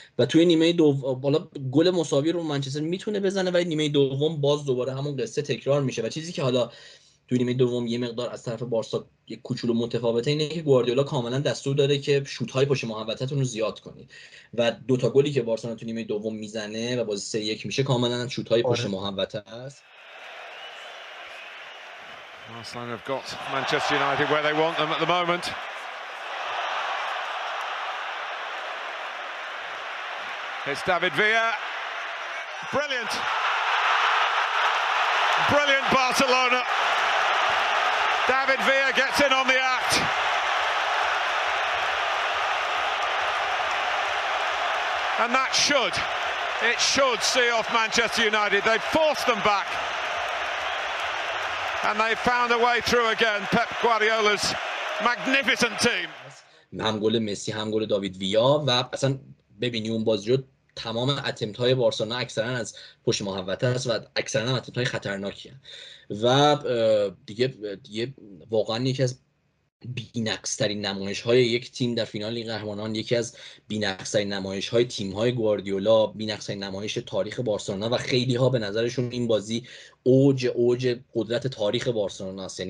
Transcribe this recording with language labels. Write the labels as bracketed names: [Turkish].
[Persian] و توی نیمه دوم بالا گل مساوی رو منچستر میتونه بزنه ولی نیمه دوم باز دوباره همون قصه تکرار میشه و چیزی که حالا توی نیمه دوم یه مقدار از طرف بارسا یه کوچولو متفاوته اینه که گواردیولا کاملا دستور داره که شوت های پشت محوطه‌تون رو زیاد کنید و دوتا گلی که بارسا توی نیمه دوم میزنه و بازی 3-1 میشه کاملا شوت های پشت محوطه است. [English] Arsenal have got Manchester United where they want them at the moment. It's David Villa. Brilliant. Brilliant Barcelona. David Villa gets in on the act. And that should, it should see off Manchester United. They've forced them back. And they found a way through again. Pep Guardiola's magnificent team. [Persian] هم گل مسی هم گل داوید ویا و اصلا ببینی اون بازی رو تمام اتمپت‌های بارسلونا اکثرا از پشت محوطه است و اکثرا هم اتمپت‌های خطرناکی هست و دیگه واقعا یکی از بی‌نقص‌ترین نمایش‌های یک تیم در فینال لیگ قهرمانان، یکی از بی‌نقص‌ترین نمایش‌های تیم‌های گواردیولا، بی‌نقص‌ترین نمایش تاریخ بارسلونا و خیلی‌ها به نظرشون این بازی اوج قدرت تاریخ بارسلونا است.